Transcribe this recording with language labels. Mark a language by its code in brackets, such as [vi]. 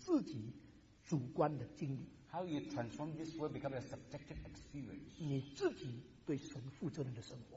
[zh] 怎样把这一节化成你自己主观的经历？ [en] How you transform this world become a subjective experience? [zh] 你自己对神负责任的生活，